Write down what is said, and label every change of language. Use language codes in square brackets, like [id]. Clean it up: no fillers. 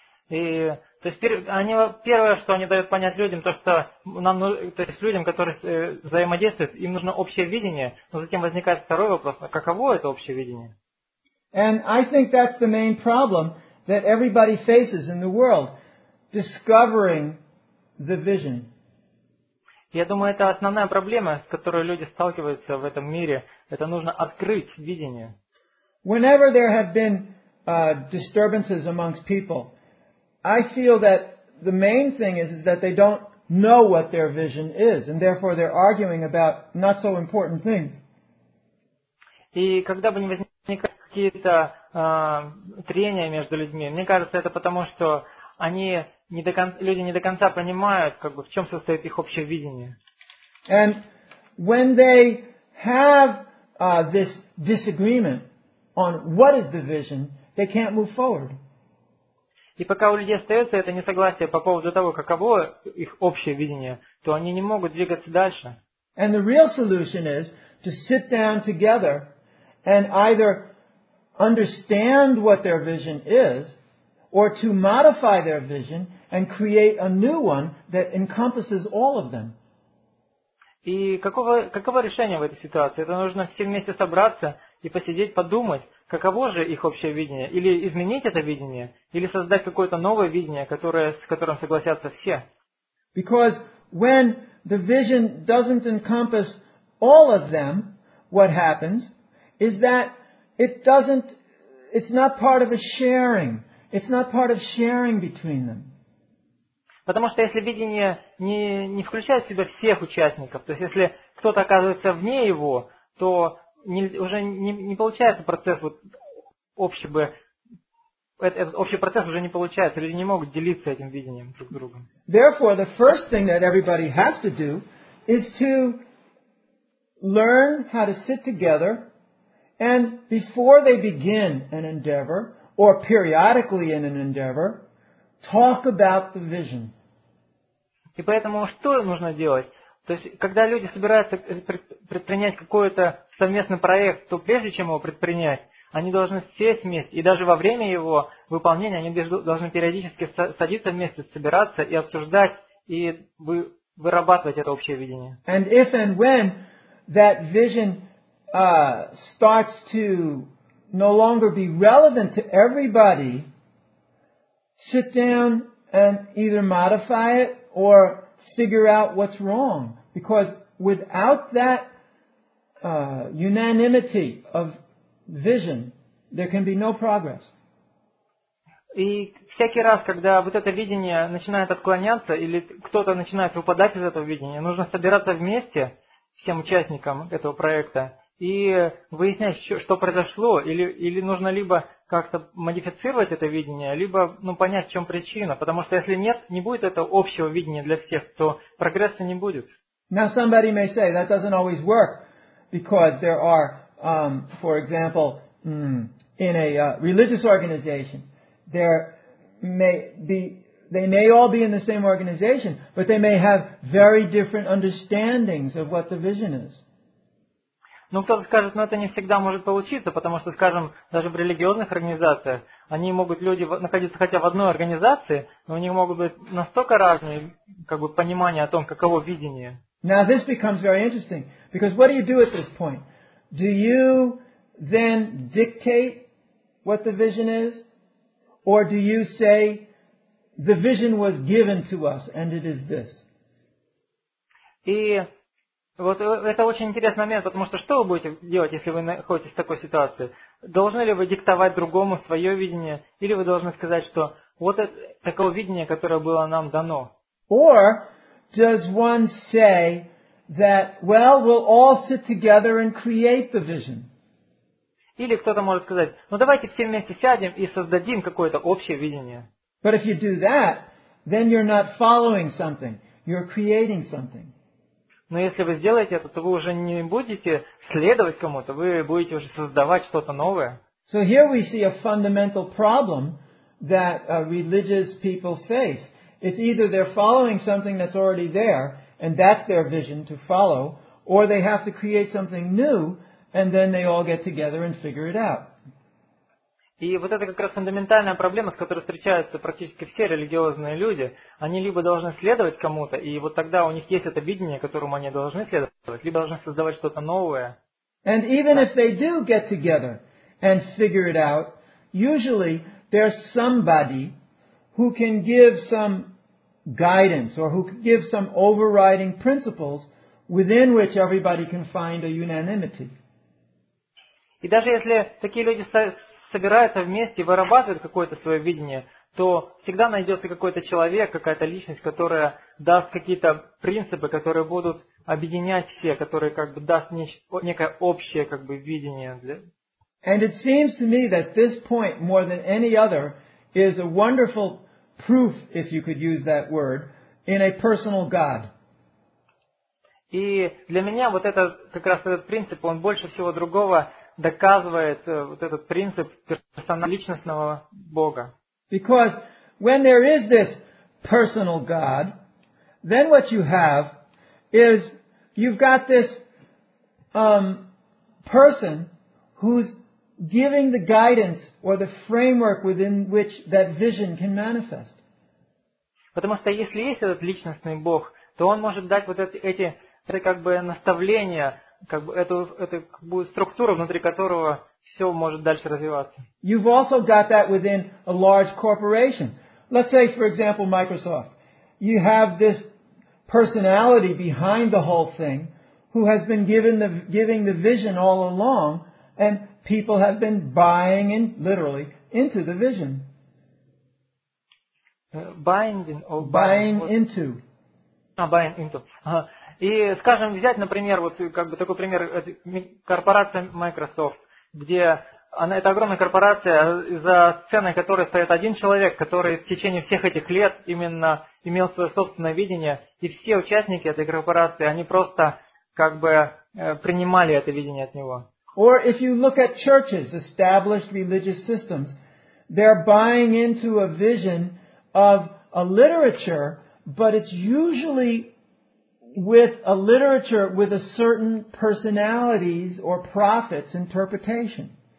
[ru] И, то есть они, первое, что они дают понять людям, то что нам, то есть людям, которые взаимодействуют, им нужно общее видение, но затем возникает второй вопрос, а каково это общее видение? [en] And I think that's the main problem that everybody faces in the world, discovering the vision. [ru] Я думаю, это основная проблема, с которой люди сталкиваются в этом мире. Это нужно открыть видение. [en] Whenever there have been disturbances amongst people, I feel that the main thing is that they don't know what their vision is, and therefore they're arguing about not so important things. [ru] И когда бы не возникли какие-то трения между людьми, мне кажется, это потому, что они не до конца, люди не до конца понимают, как бы, в чем состоит их общее видение. [en] And when they have this disagreement on what is the vision, they can't move forward. [ru] И пока у людей остается это несогласие по поводу того, каково их общее видение, то они не могут двигаться дальше. [en] And the real solution is to sit down together and either understand what their vision is, or to modify their vision and create a new one that encompasses all of them. [ru] И каково решение в этой ситуации? Это нужно все вместе собраться и посидеть, подумать, каково же их общее видение? Или изменить это видение? Или создать какое-то новое видение, с которым согласятся все? [en] Because when the vision doesn't encompass all of them, what happens is that it's not part of a sharing. It's not part of sharing between them. [ru] Потому что если видение не включает в себя всех участников, то есть если кто-то оказывается вне его, то уже не получается процесс вот общий бы, этот общий процесс уже не получается. Люди не могут делиться этим видением друг с другом. [en] Therefore, the first thing that everybody has to do is to learn how to sit together, and before they begin an endeavor, or periodically in an endeavor, talk about the vision. [ru] И поэтому что нужно делать? То есть, когда люди собираются предпринять какой-то совместный проект, то прежде чем его предпринять, они должны сесть вместе, и даже во время его выполнения они должны периодически садиться вместе, собираться и обсуждать, и вырабатывать это общее видение. [en] And if and when that vision starts to no longer be relevant to everybody, sit down and either modify it or figure out what's wrong. Because without that unanimity of vision, there can be no progress. [ru] И всякий раз, когда вот это видение начинает отклоняться, или кто-то начинает выпадать из этого видения, нужно собираться вместе всем участникам этого проекта и выяснять, что произошло, или нужно либо как-то модифицировать это видение, либо понять, в чем причина. Потому что если нет, не будет этого общего видения для всех, то прогресса не будет. [en] Now somebody may say that doesn't always work because there are, for example, in a religious organization, they may all be in the same organization, but they may have very different understandings of what the vision is. [ru] Ну, кто-то скажет, это не всегда может получиться, потому что, скажем, даже в религиозных организациях, они могут, люди, находиться хотя в одной организации, но у них могут быть настолько разные, понимания о том, каково видение. [en] Now this becomes very interesting, because what do you do at this point? Do you then dictate what the vision is? Or do you say, the vision was given to us, and it is this? [ru] Вот это очень интересный момент, потому что вы будете делать, если вы находитесь в такой ситуации? Должны ли вы диктовать другому свое видение, или вы должны сказать, что вот это такое видение, которое было нам дано? [en] Or does one say that, well, we'll all sit together and create the vision? [ru] Или кто-то может сказать, давайте все вместе сядем и создадим какое-то общее видение. [en] But if you do that, then you're not following something, you're creating something. [ru] Но если вы сделаете это, то вы уже не будете следовать кому-то, вы будете уже создавать что-то новое. [en] So here we see a fundamental problem that religious people face. It's either they're following something that's already there, and that's their vision to follow, or they have to create something new, and then they all get together and figure it out. [ru] И вот это как раз фундаментальная проблема, с которой встречаются практически все религиозные люди. Они либо должны следовать кому-то, и вот тогда у них есть это видение, которому они должны следовать, либо должны создавать что-то новое. [en] And even if they do get together and figure it out, usually there's somebody who can give some guidance or who can give some overriding principles within which everybody can find a unanimity. [ru] И даже если такие люди собираются вместе, вырабатывают какое-то свое видение, то всегда найдется какой-то человек, какая-то личность, которая даст какие-то принципы, которые будут объединять все, которые как бы даст некое общее как бы видение. [en] And it seems to me that this point, more than any other, is a wonderful proof, if you could use that word, in a personal God. [ru] И для меня вот это как раз этот принцип, он больше всего другого доказывает вот этот принцип личностного Бога. [en] Because when there is this personal God, then what you have is you've got this person who's giving the guidance or the framework within which that vision can manifest. [ru] Потому что если есть этот личностный Бог, то он может дать вот эти как бы наставления, как бы это как бы структура, внутри которого все может дальше развиваться. [en] You've also got that within a large corporation. Let's say, for example, Microsoft. You have this personality behind the whole thing who has been giving the vision all along, and people have been buying in, literally, into the vision. Buying into. [ru] И, скажем, взять, например, вот как бы такой пример, корпорация Microsoft, где она, это огромная корпорация, за сценой которой стоит один человек, который в течение всех этих лет именно имел свое собственное видение, и все участники этой корпорации, они просто как бы принимали это видение от него. [en] Or if you look at churches, established religious systems, they're buying into a vision of a literature, but it's usually with a literature with a certain personalities or prophets interpretation.